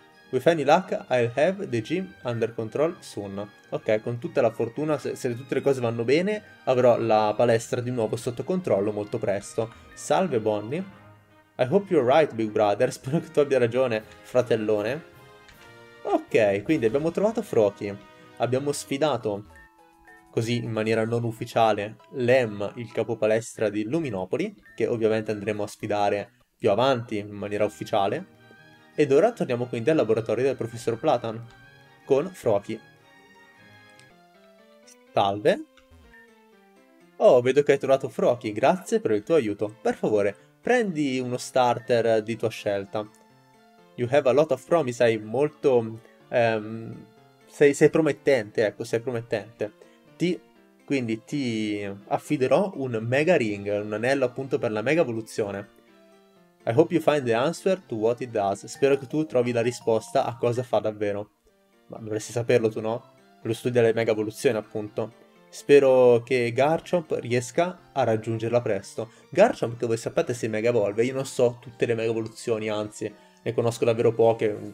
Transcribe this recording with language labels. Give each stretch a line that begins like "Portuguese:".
English: With any luck, I'll have the gym under control soon.
Italian: Ok, con tutta la fortuna, se tutte le cose vanno bene, avrò la palestra di nuovo sotto controllo molto presto. Salve, Bonnie.
English: I hope you're right, big brother.
Italian: Spero che tu abbia ragione, fratellone. Ok, quindi abbiamo trovato Froakie. Abbiamo sfidato, così in maniera non ufficiale, Lem, il capopalestra di Luminopoli, che ovviamente andremo a sfidare più avanti in maniera ufficiale. Ed ora torniamo quindi al laboratorio del professor Platan, con Froakie. Salve. Oh, vedo che hai trovato Froakie, grazie per il tuo aiuto. Per favore, prendi uno starter di tua scelta.
English: You have a lot of promise,
Italian: sei molto... sei promettente, ecco, sei promettente. Quindi ti affiderò un Mega Ring, un anello appunto per la Mega Evoluzione.
English: I hope you find the answer to what it does.
Italian: Spero che tu trovi la risposta a cosa fa davvero. Ma dovresti saperlo tu, no? Lo studio delle mega evoluzioni, appunto. Spero che Garchomp riesca a raggiungerla presto. Garchomp, che voi sapete, si mega evolve. Io non so tutte le mega evoluzioni, anzi, ne conosco davvero poche.